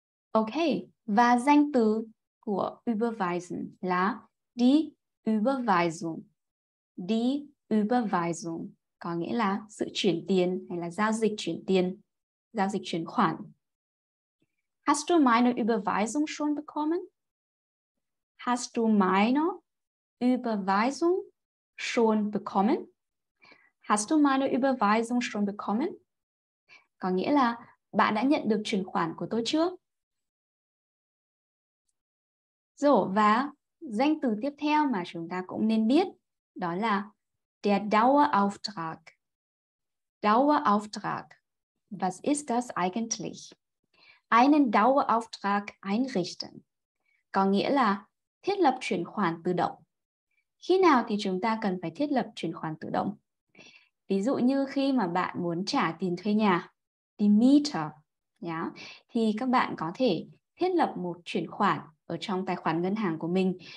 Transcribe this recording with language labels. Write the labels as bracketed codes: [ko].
[vi] Okay. Và danh từ của überweisen là Die Überweisung. Die Überweisung có nghĩa là sự chuyển tiền hay là giao dịch chuyển tiền, giao dịch chuyển khoản. [de] Hast du meine Überweisung schon bekommen? Hast du meine Überweisung schon bekommen? Hast du meine Überweisung schon bekommen? [vi] Có nghĩa là bạn đã nhận được chuyển khoản của tôi chưa? Rồi, và danh từ tiếp theo mà chúng ta cũng nên biết đó là der Dauerauftrag. [de] Dauerauftrag. Was ist das eigentlich? Einen Dauerauftrag einrichten. [vi] Có nghĩa là thiết lập chuyển khoản tự động. Khi nào thì chúng ta cần phải thiết lập chuyển khoản tự động? Ví dụ như khi mà bạn muốn trả tiền thuê nhà, die Miete, yeah, thì các bạn có thể thiết lập một chuyển khoản ở trong tài khoản ngân hàng của mình.